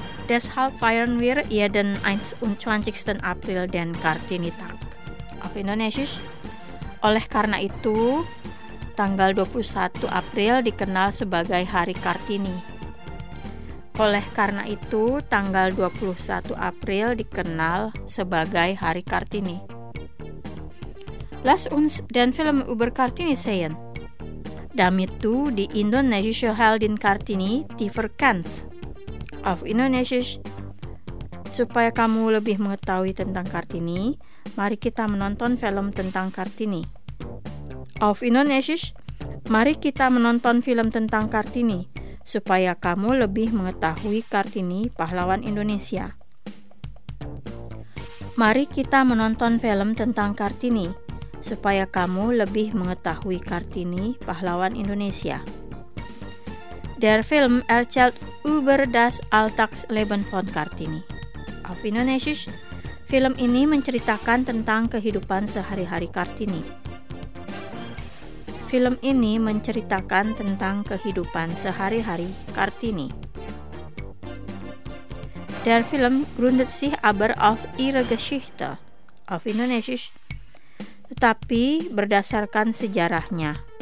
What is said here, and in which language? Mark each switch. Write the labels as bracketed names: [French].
[German] Deshalb feiern wir jeden 21. April den Kartini-Tag auf Indonesisch. [Indonesian] Oleh karena itu, tanggal 21 April dikenal sebagai Hari Kartini. Oleh karena itu, tanggal 21 April dikenal sebagai Hari Kartini. [German] Lass uns den Film über Kartini sehen. Damit du die indonesische Heldin Kartini tiefer kennst. Auf Indonesisch. [Indonesian] Supaya kamu lebih mengetahui tentang Kartini, mari kita menonton film tentang Kartini. Auf Indonesisch. Mari kita menonton film tentang Kartini, supaya kamu lebih mengetahui Kartini, pahlawan Indonesia. Mari kita menonton film tentang Kartini, supaya kamu lebih mengetahui Kartini, pahlawan Indonesia. [German] Der Film erzählt über das Alltagsleben von Kartini. Auf Indonesisch, [Indonesian] film ini menceritakan tentang kehidupan sehari-hari Kartini. Film ini menceritakan tentang kehidupan sehari-hari Kartini. [German] Der Film gründet sich aber auf ihre Geschichte. Auf Indonesisch. [Indonesian] Tetapi berdasarkan sejarahnya.